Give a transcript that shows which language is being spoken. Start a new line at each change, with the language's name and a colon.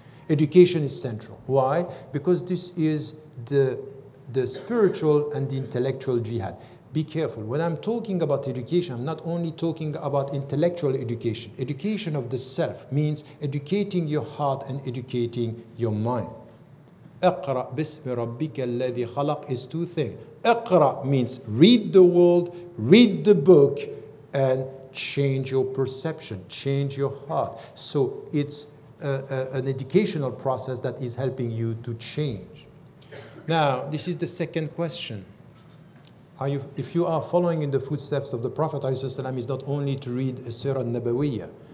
English: Education is central. Why? Because this is the spiritual and the intellectual jihad. Be careful. When I'm talking about education, I'm not only talking about intellectual education. Education of the self means educating your heart and educating your mind.
Arabic: اقرأ بسم ربك الذي خلق
English: is two things. اقرأ means read the world, read the book, and change your perception, change your heart. So it's an educational process that is helping you to change. Now, this is the second question. If you are following in the footsteps of the Prophet ﷺ, is not only to read a Surah Nabawiyyah.